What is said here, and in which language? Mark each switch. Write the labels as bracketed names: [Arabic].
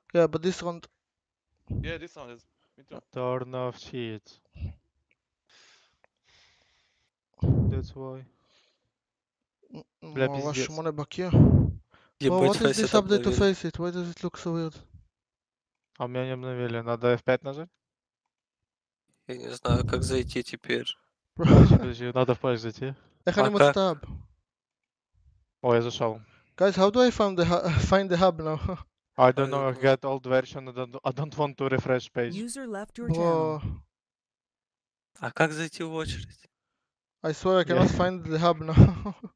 [English] Yeah, but this round. Yeah, this round is. Me too. Turn off shit. That's why. I'm gonna rush money back here. Yeah, but what is this update to face it? Why does it look so weird? [Russian] А меня не обновили, надо F5 нажать? Я не знаю, как зайти теперь. Подожди, надо в поезд зайти. Эх, они могут стаб. О, я зашел. [English] Guys, how do I find the hub now? I don't know, I got old version, I don't want to refresh page. User left your channel. [Russian] А как зайти в очередь? [English] I swear, I cannot find the hub now.